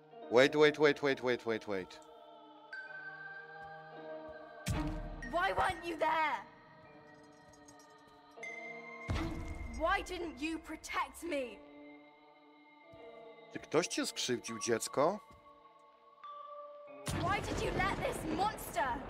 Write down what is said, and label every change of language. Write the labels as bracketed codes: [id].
[en] Wait, wait, wait, wait, wait, wait, wait. Why weren't you there? Why didn't you protect me? [pl] Czy ktoś cię skrzywdził, dziecko? [en] Why did you let this monster?